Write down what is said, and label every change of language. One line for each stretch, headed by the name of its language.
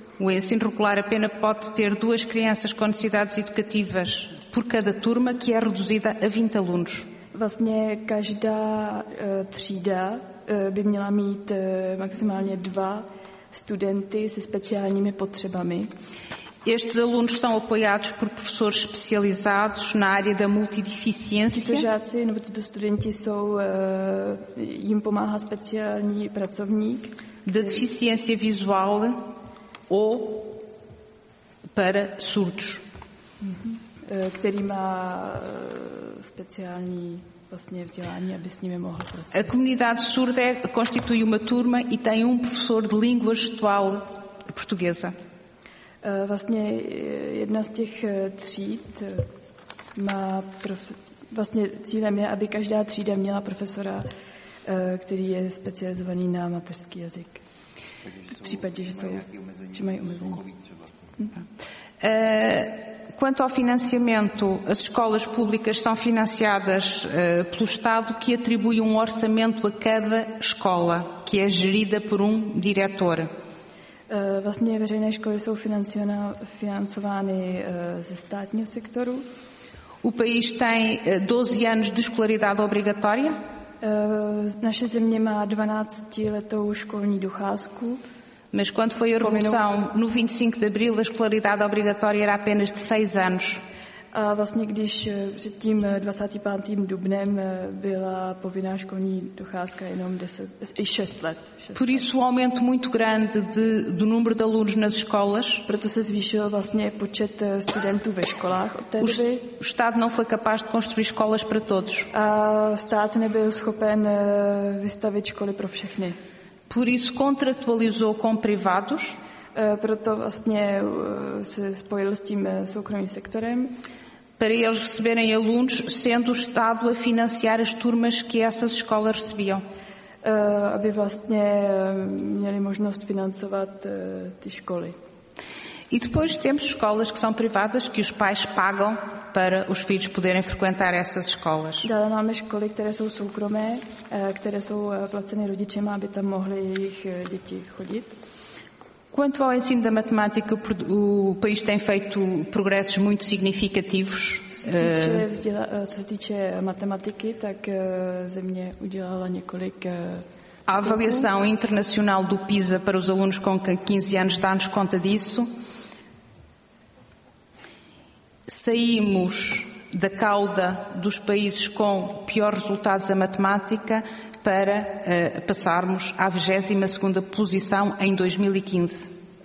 Portuguese: O ensino regular apenas pode ter duas crianças com necessidades educativas por cada turma, que é reduzida a 20 alunos.
Czech: Vlastně každá třída by měla mít maximálně 2 studenty se speciálními potřebami.
Portuguese: Estes alunos são apoiados por professores especializados na área da multideficiência.
Czech: Tito žáci nebo tito studenti jsou, jim pomáhá speciální pracovník.
Portuguese: Da deficiência visual ou para surdos.
Czech: Který má speciální vlastně vzdělání, aby s nimi mohl pracovat.
Portuguese: A comunidade surda constitui uma turma e tem professor de língua gestual portuguesa.
Czech: Vlastně jedna z těch tříd má vlastně cílem je, aby každá třída měla profesora, který je specializovaný na mateřský jazyk. V případě, že mají omezení.
Portuguese: Quanto ao financiamento, as escolas públicas são financiadas pelo Estado, que atribui um orçamento a cada escola, que é gerida por um diretor.
Czech: Vlastně veřejné školy jsou financovány ze státního sektoru.
Portuguese: O país tem 12 anos de escolaridade obrigatória.
Czech: Naše země má 12-letou školní docházku.
Portuguese: Mas quando foi a revolução, no 25 de abril, a escolaridade obrigatória era apenas de 6 anos.
Czech: A vlastně když předtím 25. dubnem byla povinná školní docházka jenom 6 let.
Portuguese: Por isso um aumento muito grande do número de alunos nas escolas.
Czech: Proto se zvýšil vlastně počet studentů ve školách od té doby.
Portuguese: O Estado não foi capaz de construir escolas para todos.
Czech: A stát nebyl schopen vystavit školy pro všechny.
Portuguese: Por isso contratualizou com privados.
Czech: Proto vlastně se spojil s tím soukromým sektorem.
Portuguese: Para eles receberem alunos, sendo o Estado a financiar as turmas que essas escolas recebiam.
Czech: Aby vlastně měli možnost financovat ty školy.
Portuguese: E depois temos escolas que são privadas, que os pais pagam para os filhos poderem frequentar essas escolas.
Czech: Dále máme školy, které jsou soukromé, které jsou placeny rodičem, aby tam mohli jejich děti chodit.
Portuguese: Quanto ao ensino da matemática, o país tem feito progressos muito significativos.
Czech: Co se týče matematiky, tak země udělala několik.
Portuguese: A avaliação internacional do PISA para os alunos com 15 anos dá-nos conta disso. Saímos da cauda dos países com piores resultados em matemática para passarmos à 22ª posição em 2015.